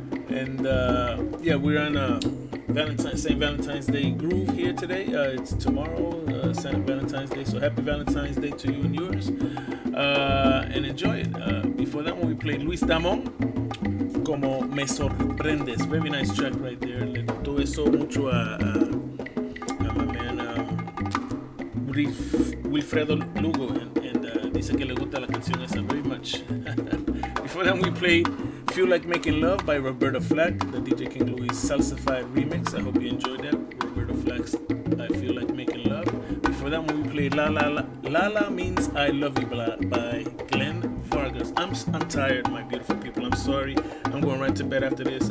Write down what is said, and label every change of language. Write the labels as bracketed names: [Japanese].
[English] And yeah, we're on a Saint Valentine's Day groove here today. It's tomorrow, Saint Valentine's Day, so happy Valentine's Day to you and yours. And enjoy it. Before that one, we played Luis Damon, Como Me Sorprendes. Very nice track right there. [Spanish] Le gustó eso mucho a [English] my man [Spanish] Wilfredo Lugo, and dice que le gusta la canción esa [English] very much. Before that, we played Feel Like Making Love by Roberta Flack, the DJ King Louis Salsified remix. I hope you enjoyed that. Roberta Flack's I Feel Like Making Love. Before that, we played La La La. Lala Means I Love You by Glenn Vargas. I'm tired, my beautiful people. I'm sorry. I'm going right to bed after this.